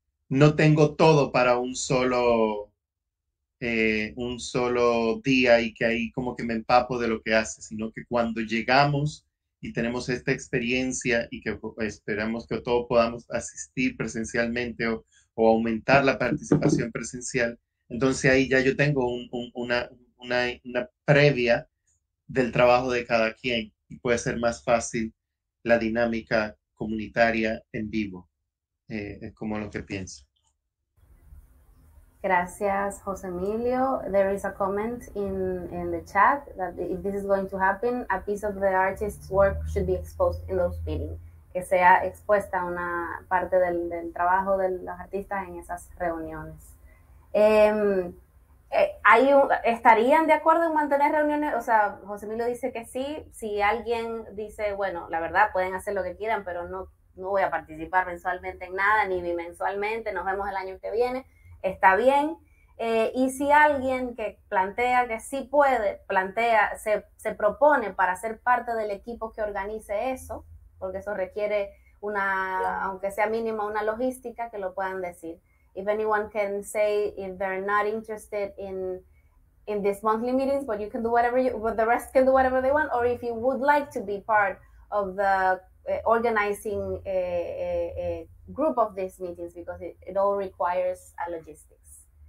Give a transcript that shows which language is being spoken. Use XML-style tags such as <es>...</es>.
<es>no tengo todo para un solo día y que ahí como que me empapo de lo que hace, sino que cuando llegamos y tenemos esta experiencia y que esperamos que todos podamos asistir presencialmente o aumentar la participación presencial, entonces ahí ya yo tengo una previa del trabajo de cada quien y puede ser más fácil la dinámica comunitaria en vivo, es como lo que pienso. Gracias, José Emilio.</es> <en>There is a comment in the chat that if this is going to happen, a piece of the artist's work should be exposed in those meetings.</en> <es>Que sea expuesta una parte del trabajo de los artistas en esas reuniones. ¿Estarían de acuerdo en mantener reuniones? O sea, José Emilio dice que sí. Si alguien dice, bueno, la verdad, pueden hacer lo que quieran, pero no voy a participar mensualmente en nada, ni bimensualmente, nos vemos el año que viene. Está bien. Y si alguien que plantea que sí puede, plantea, se propone para ser parte del equipo que organice eso, porque eso requiere una, yeah, aunque sea mínima, una logística, que lo puedan decir.</es> <en>If anyone can say if they're not interested in these monthly meetings, but you can do whatever but the rest can do whatever they want, or if you would like to be part of the organizing a group of these meetings, because it all requires a logistics.</en>